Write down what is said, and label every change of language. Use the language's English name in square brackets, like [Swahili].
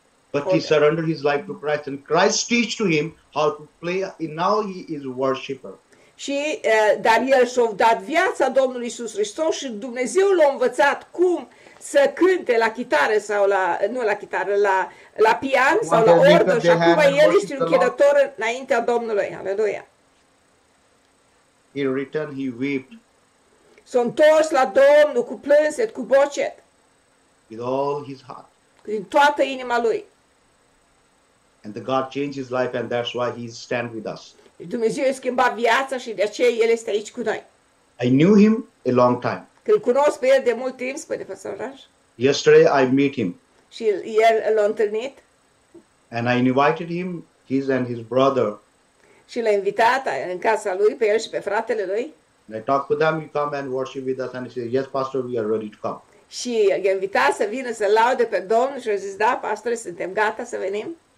[English] But he surrendered his life to Christ and Christ teach to him how to play and now he is a worshipper. [Romanian] Și dar el s-a dat viața Domnului Iisus Hristos și Dumnezeu l-a învățat cum să cânte la chitară sau la nu la chitară la pian sau la orgă și acum el este un chedător înaintea Domnului. Aleluia. [English] He returned, he wept. [Romanian] S-a întors la Domnul cu plânset, cu bocet. [English] With all his heart. [Romanian] Din toată inima lui. [English] And the God changed his life and that's why he stand with us. [Romanian] Dumnezeu a schimbat viața și de aceea el este aici cu noi. [English] I knew him a long time. [Romanian] Îl cunosc pe el de mult timp, spune pastor Raj. [English] Yesterday I meet him. [Romanian] Și el l-a întâlnit. [English] And I invited him, his and his brother. [Romanian] Și l-a invitat în casa lui, pe el și pe fratele lui. [English] And I talked to them, you come and worship with us. And he said, yes, pastor, we are ready to come. [Romanian] Și i-a invitat să vină să laude pe Domnul și a zis, da, pastore, suntem gata să venim.